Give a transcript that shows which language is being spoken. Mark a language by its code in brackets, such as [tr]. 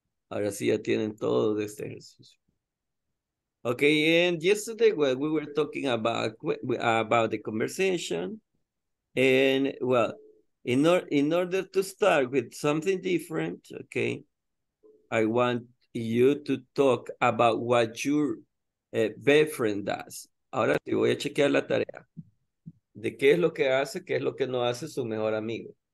[es] Ahora sí ya tienen todo de este ejercicio. [en] Okay, and yesterday well, we were talking about the conversation. And well, in order to start with something different, okay, I want you to talk about what your best friend does. [es] Ahora sí voy a chequear la tarea. De qué es lo que hace, qué es lo que no hace su mejor amigo.